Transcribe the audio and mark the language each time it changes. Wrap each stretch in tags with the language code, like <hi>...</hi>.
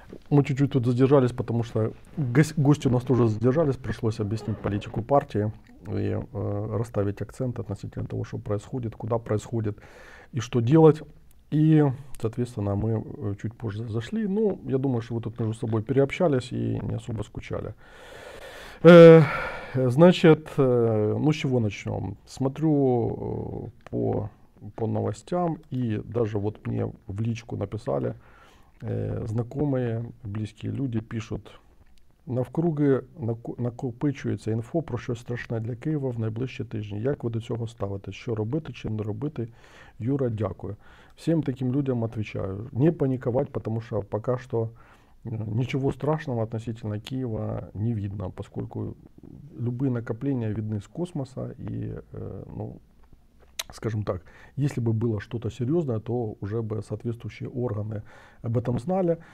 <ru>Мы чуть-чуть тут задержались, потому что гости у нас тоже задержались, пришлось объяснить политику партии и расставить акцент относительно того, что происходит, куда происходит и что делать. И, соответственно, мы чуть позже зашли. Ну, я думаю, что вы тут между собой переобщались и не особо скучали. Значит, ну с чего начнем? Смотрю по новостям, и даже вот мне в личку написали знакомые, близкие люди, пишут,</ru> <uk>навкруги накопичується інфо про щось страшне для Києва в найближчі тижні. Як ви до цього ставитесь? Що робити, чи не робити? Юра, дякую. Всім таким людям відповідаю, не панікувати, тому що поки що нічого страшного</uk> <ru>относительно Києва не видно, поскольку любые накопления видны с космоса, и, ну, скажем так, если бы было что-то серьезное, то уже бы соответствующие органы об этом знали.</ru>